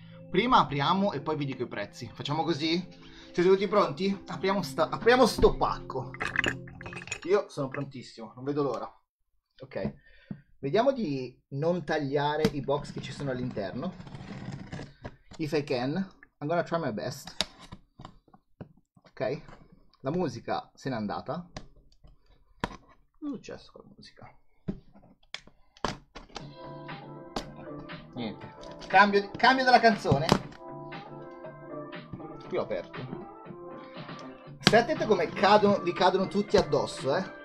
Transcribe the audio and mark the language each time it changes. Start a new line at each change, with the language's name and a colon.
Italian: Prima apriamo e poi vi dico i prezzi. Facciamo così? Siete tutti pronti? Apriamo sto pacco. Io sono prontissimo, non vedo l'ora. Ok. Vediamo di non tagliare i box che ci sono all'interno.
English: If I can, I'm gonna try my best.
Italian: Ok. La musica se n'è andata. Cosa è successo con la musica? Niente. Cambio della canzone. Qui l'ho aperto. State attenti come vi cadono tutti addosso, eh.